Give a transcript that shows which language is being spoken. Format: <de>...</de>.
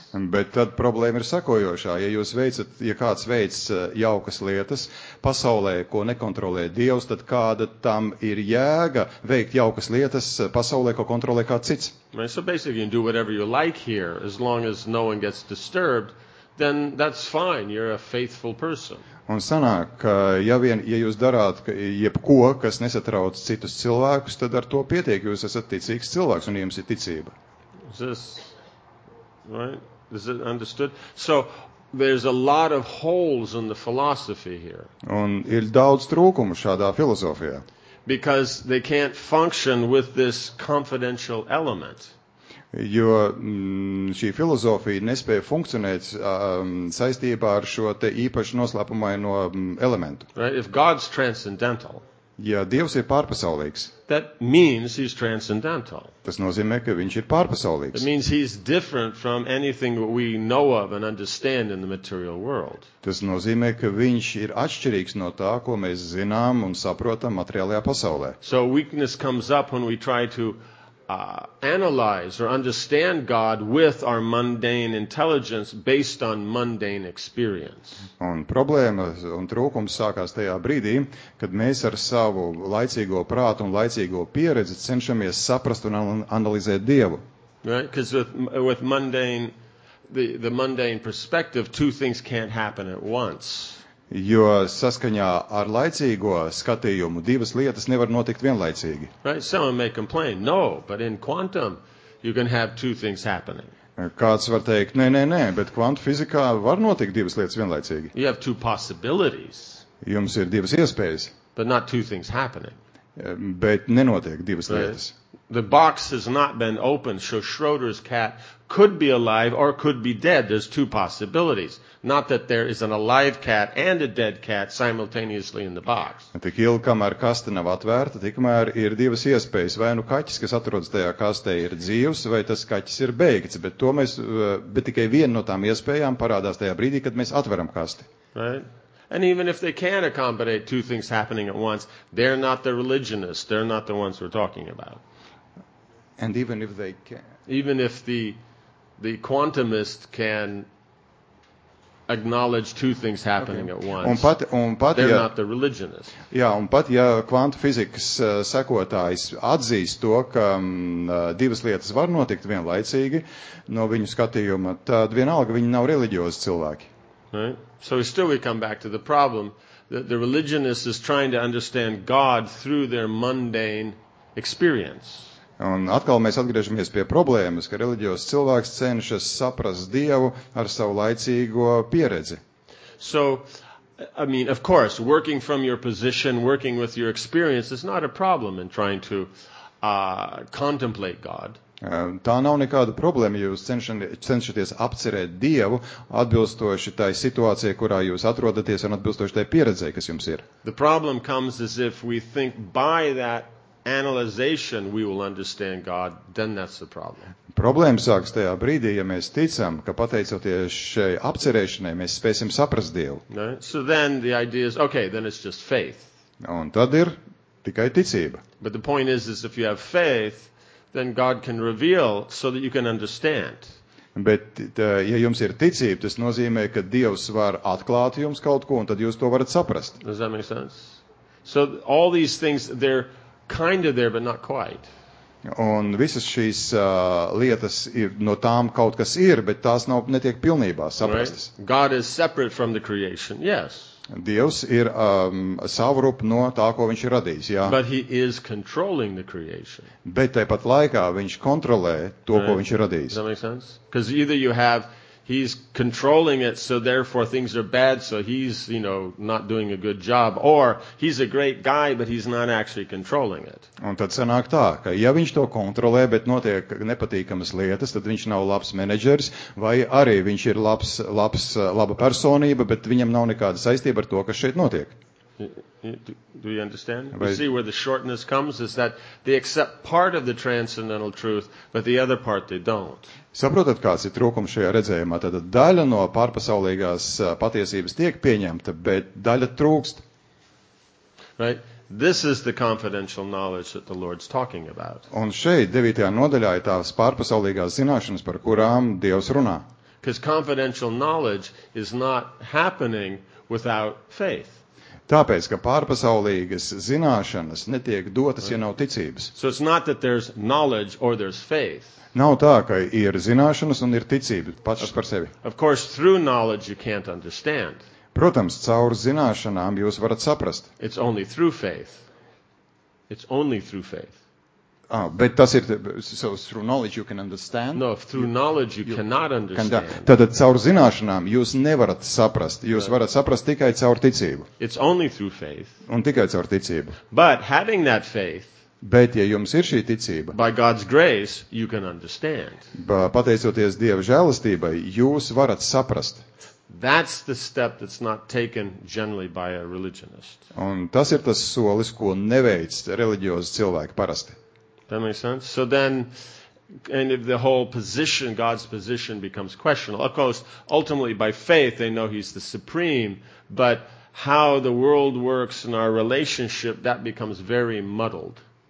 <lv>Bet tad problēma ir sakojošā. Ja jūs veicat, ja kāds veic jaukas lietas pasaulē, ko nekontrolē Dievs, tad kāda tam ir jēga veikt jaukas lietas pasaulē, ko kontrolē kāds cits?</lv> <en>Right, so basically you can do whatever you like here, as long as no one gets disturbed, then that's fine, you're a faithful person.</en> <lv>Un sanāk, ka ja vien, ja jūs darāt jebko, kas nesatrauc citus cilvēkus, tad ar to pietiek, jūs esat ticīgs cilvēks un jums ir ticība.</lv> <en>Is this, right? Is it understood? So there's a lot of holes in the philosophy here.</en> <lv>Un ir daudz trūkumu šādā filozofijā.</lv> <en>Because they can't function with this confidential element.</en> <lv>Jo šī filozofija nespēja funkcionēt saistībā ar šo te īpaši noslēpumaino elementu.</lv> <en>Right? If God's transcendental,</en> <lv>ja Dievs ir pārpasaulīgs,</lv> <en>that means he's transcendental.</en> <lv>Tas nozīmē, ka viņš ir pārpasaulīgs.</lv> <en>It means he's different from anything we know of and understand in the material world.</en> <lv>Tas nozīmē, ka viņš ir atšķirīgs no tā, ko mēs zinām un saprotam materiālajā pasaulē.</lv> <en>So weakness comes up when we try to analyze or understand God with our mundane intelligence based on mundane experience.</en> <lv>Un problēmas un trūkums sākās tajā brīdī, kad mēs ar savu laicīgo prātu un laicīgo pieredzi cenšamies saprast un analizēt Dievu.</lv> <en>Right? Because with mundane, the mundane perspective, two things can't happen at once.</en> <lv>Jo saskaņā ar laicīgo skatījumu divas lietas nevar notikt vienlaicīgi.</lv> <en>Right, someone may complain, no, but in quantum you can have two things happening.</en> <lv>Kāds var teikt, nē, nē, nē, bet kvantu fizikā var notikt divas lietas vienlaicīgi.</lv> <en>You have two possibilities.</en> <lv>Jums ir divas iespējas.</lv> <en>But not two things happening.</en> <lv>Bet nenotiek divas lietas.</lv> <en>The box has not been opened, so Schrodinger's cat could be alive or could be dead. There's two possibilities. Not that there is an alive cat and a dead cat simultaneously in the box.</en> <lv>Tik ilgi, kamēr kaste nav atvērta, tikmēr ir divas iespējas. Vai nu kaķis, kas atrodas tajā kastē, ir dzīvs, vai tas kaķis ir beigts. Bet to mēs, bet tikai viena no tām iespējām parādās tajā brīdī, kad mēs atveram kasti.</lv> <en>Right? And even if they can accommodate two things happening at once, they're not the religionists. They're not the ones we're talking about. And even if they can. Even if the quantumist can acknowledge two things happening okay. at once,</en> <lv>un pat,</lv> <en>they're</en> <lv>ja,</lv> <en>not the religionists.</en> <lv>Jā, un pat, ja kvantu fizikas sekotājs atzīst to, ka divas lietas var notikt vienlaicīgi no viņu skatījuma, tad vienalga viņi nav religiozi cilvēki.</lv> <en>Right? So still we come back to the problem that the religionist is trying to understand God through their mundane experience.</en> <lv>Un atkal mēs atgriežamies pie problēmas, ka reliģijos cilvēks cenšas saprast Dievu ar savu laicīgo pieredzi.</lv> <en>So, I mean, of course, working from your position, working with your experience is not a problem in trying to contemplate God.</en> <lv>Tā nav nekāda problēma, jūs cenšaties apcerēt Dievu atbilstoši tai situācijai, kurā jūs atrodaties un atbilstoši tai pieredzei, kas jums ir.</lv> <en>The problem comes as if we think by that analyzation we will understand God, then that's the problem.</en> <lv>Problēma sāks tajā brīdī, ja mēs ticam, ka pateicoties šai apcerēšanai, mēs spēsim saprast Dievu.</lv> <en>Right? So then the idea is, okay, then it's just faith.</en> <lv>Un tad ir tikai ticība.</lv> <en>But the point is if you have faith, then God can reveal so that you can understand.</en> <lv>Bet, ja jums ir ticība, tas nozīmē, ka Dievs var atklāt jums kaut ko, un tad jūs to varat saprast.</lv> <en>Does that make sense? So all these things, they're kind of there, but not quite.</en> <lv>Un visas šīs lietas ir, no tām kaut kas ir, bet tās nav netiek pilnībā saprastas.</lv> <en>Right? God is separate from the creation, yes.</en> <lv>Dievs ir savrup no tā, ko viņš ir radījis, jā.</lv> <en>But he is controlling the creation.</en> <lv>Bet tāpat laikā viņš kontrolē to,</lv> <en>right.</en> <lv>ko viņš ir radījis.</lv> <en>Does that make sense? Because either you have, he's controlling it, so therefore things are bad, so he's, you know, not doing a good job, or he's a great guy, but he's not actually controlling it.</en> <lv>Un tad sanāk tā, ka ja viņš to kontrolē, bet notiek nepatīkamas lietas, tad viņš nav labs menedžers, vai arī viņš ir laba personība, bet viņam nav nekāda saistība ar to, kas šeit notiek.</lv> <en>Do you understand? Vai... You see where the shortness comes is that they accept part of the transcendental truth, but the other part they don't.</en> <lv>Saprotat, kāds ir trūkums šajā redzējumā? Tātad daļa no pārpasaulīgās patiesības tiek pieņemta, bet daļa trūkst.</lv> <en>Right? This is the confidential knowledge that the Lord's talking about.</en> <lv>Un šeit, 9. Nodaļā, ir tās pārpasaulīgās zināšanas, par kurām Dievs runā.</lv> <en>Because confidential knowledge is not happening without faith.</en> <lv>Tāpēc, ka pārpasaulīgas zināšanas netiek dotas, ja nav ticības.</lv> <en>So it's not that there's knowledge or there's faith.</en> <lv>Nav tā, ka ir zināšanas un ir ticība pats par sevi.</lv> <en>Of course, through knowledge you can't understand.</en> <lv>Protams, caur zināšanām jūs varat saprast.</lv> <en>It's only through faith. It's only through faith. But</en> <lv>tas ir,</lv> <en>so through knowledge you can understand? No, through knowledge you cannot understand.</en> <lv>Tātad caur zināšanām jūs nevarat saprast, jūs varat saprast tikai caur ticību.</lv> <en>It's only through faith.</en> <lv>Un tikai caur ticību.</lv> <en>But having that faith,</en> <lv>bet ja jums ir šī ticība,</lv> <en>by God's grace you can understand.</en> <lv>Pateicoties Dieva žēlastībai, jūs varat saprast.</lv> <en>That's the step that's not taken generally by a religionist.</en> <lv>Un tas ir tas solis, ko neveic reliģiozi cilvēki parasti.</lv> <en>That makes sense. So then, and if the whole position, God's position becomes questionable, of course, ultimately by faith they know he's the supreme, but how the world works in our relationship, that becomes very muddled.</en>